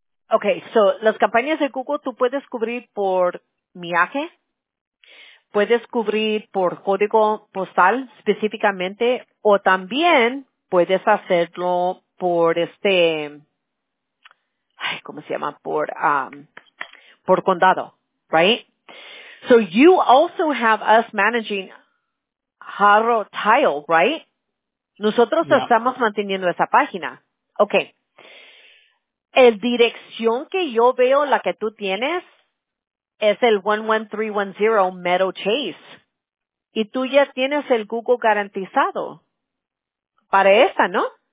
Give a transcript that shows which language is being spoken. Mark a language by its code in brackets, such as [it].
[es] Okay, so las campañas de Google tú puedes cubrir por millaje, puedes cubrir por código postal específicamente, o también puedes hacerlo por este, ay, ¿cómo se llama? Por condado, right? [en] So you also have us managing Haro Tile, right? [es] Nosotros yeah. Estamos manteniendo esa página. Okay. El dirección que yo veo, la que tú tienes, es el 11310 Meadow Chase. Y tú ya tienes el Google garantizado para esa, ¿no?